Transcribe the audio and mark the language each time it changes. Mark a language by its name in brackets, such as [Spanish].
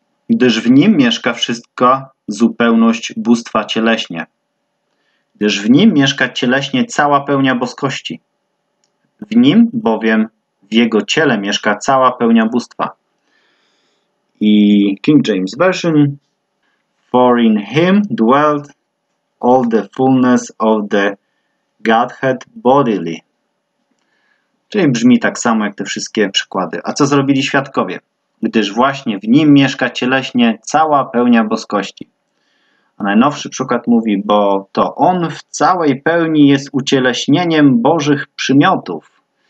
[Polish] Gdyż w nim mieszka wszystko zupełność bóstwa cieleśnie. Gdyż w nim mieszka cieleśnie cała pełnia boskości. W nim bowiem w jego ciele mieszka cała pełnia bóstwa. [English] I King James Version: For in him dwelt all the fullness of the Godhead bodily. [Polish] Czyli brzmi tak samo jak te wszystkie przykłady. A co zrobili świadkowie? Gdyż właśnie w nim mieszka cieleśnie cała pełnia boskości. A najnowszy przykład mówi: bo to on w całej pełni jest ucieleśnieniem Bożych przymiotów.